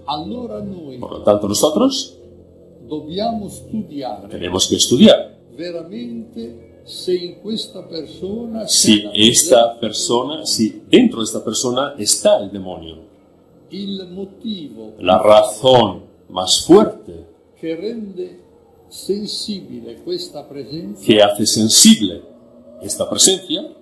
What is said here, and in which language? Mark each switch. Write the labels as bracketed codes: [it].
[it] Allora noi, [es] por lo tanto, nosotros [it] dobbiamo studiare, [es] tenemos que estudiar [it] veramente. Se in questa persona, [es] si esta persona, si dentro de esta persona está el demonio, [it] il motivo, [es] la razón más fuerte [it] que rende sensibile questa presenza, [es] que hace sensible esta presencia,